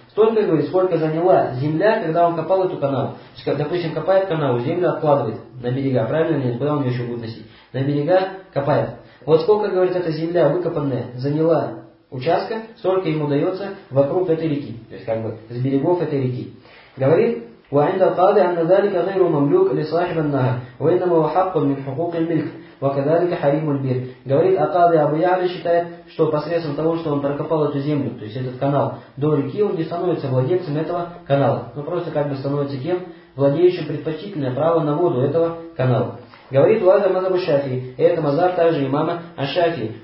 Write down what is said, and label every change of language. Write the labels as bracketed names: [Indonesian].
[Russian] Столько, говорит, сколько заняла земля, когда он копал эту канал. Допустим, копает канал, землю откладывает на берега, правильно ли? Куда он ее еще будет носить? На берега копает. Вот сколько, говорит, эта земля выкопанная заняла участка, столько ему дается вокруг этой реки. То есть, как бы, с берегов этой реки. Говорит, [Arabic] وعند القاضي أن ذلك غير مملوك لصاحب النهر وإنما هو حق من حقوق الملك وكذلك حريم البير. [Russian] Говорит القاضي أبو يعلى считает, что посредством того, что он прокопал эту землю, то есть этот канал до реки, он не становится владельцем этого канала, но просто как бы становится тем, владеющим предпочтительное право на воду этого канала. Говорит Уазар мазхаб Шафии, и это мазхаб также имама Аш-Шафии.